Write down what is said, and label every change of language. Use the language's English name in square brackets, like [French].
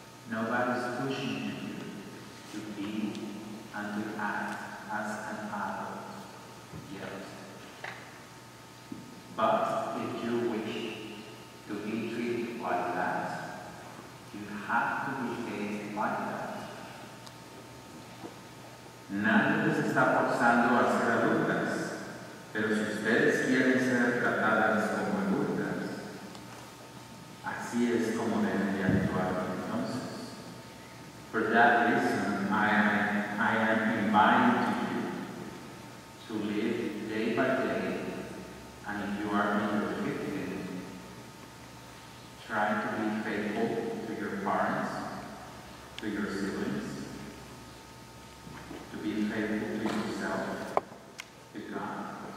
[English] Nobody's pushing you to be and to act as an adult yet. But if you wish to be treated like that, You have to behave like that. [Spanish] Nadie les está forzando a ser adultas, pero si ustedes quieren ser tratadas como adultas, así es como deben de actuar entonces. [English] For that reason, I am inviting you to live day by day, and if you are in your 50s, try to be faithful to your parents, to your siblings, to be faithful to yourself, to God.